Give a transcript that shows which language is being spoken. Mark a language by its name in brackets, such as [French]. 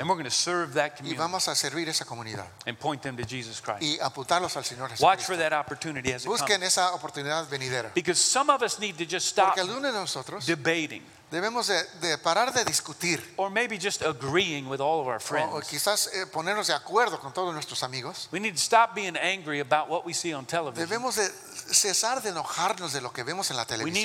[English] And we're going to serve that community. [Spanish] Y vamos a servir esa comunidad. [English] And point them to Jesus Christ. [Spanish] Y apuntarlos al Señor Jesucristo. [English] Watch for that opportunity as it comes. [Spanish] Busquen esa oportunidad venidera. [English] Because some of us need to just stop. [Spanish] Porque algunos de nosotros [English] debating. [Spanish] Debemos de parar de discutir. [English] Or maybe just agreeing with all of our friends. [Spanish] O quizás ponernos de acuerdo con todos nuestros amigos. [English] We need to stop being angry about what we see on television. [Spanish] Debemos de cesar de enojarnos de lo que vemos en la televisión.